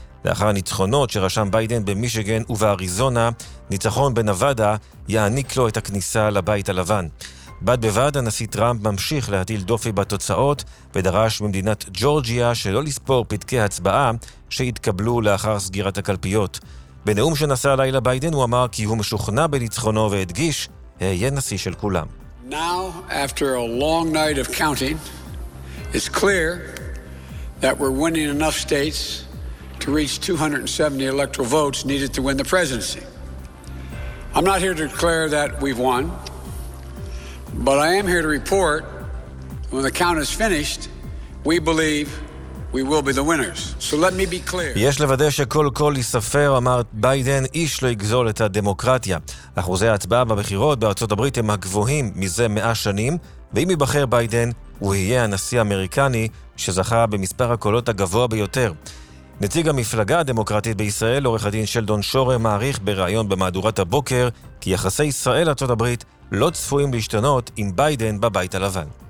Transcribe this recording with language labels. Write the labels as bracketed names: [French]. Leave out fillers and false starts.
[Hebrew] לאחר הניצחונות שרשם ביידן במישיגן ובאריזונה, ניצחון בנבדה יעניק לו את הכניסה לבית הלבן. בד בבד, הנשיא טראמפ ממשיך להטיל דופי בתוצאות ודרש ממדינת ג'ורג'יה שלא לספור פתקי הצבעה שהתקבלו לאחר סגירת הקלפיות. בנאום שנשא הלילה ביידן הוא אמר כי הוא משוכנע בניצחונו והדגיש, היה נשיא של כולם. [English] Now, after a long night of counting, it's clear that we're winning enough states to reach 270 electoral votes needed to win the presidency. I'm not here to declare that we've won, but I am here to report when the count is finished, we believe we will be the winners. So let me be clear. [Hebrew] יש לוודא שכל קול יספר, אמר ביידן, איש לא יגזול את הדמוקרטיה. אחוזי ההצבעה בבחירות בארצות הברית הם הגבוהים מזה 100 שנים, ואם יבחר ביידן, הוא יהיה הנשיא האמריקני שזכה במספר הקולות הגבוה ביותר. נציג המפלגה הדמוקרטית בישראל, עורך הדין שלדון שורר, מעריך בראיון במהדורת הבוקר, כי יחסי ישראל ארצות הברית לא צפויים להשתנות עם ביידן בבית הלבן.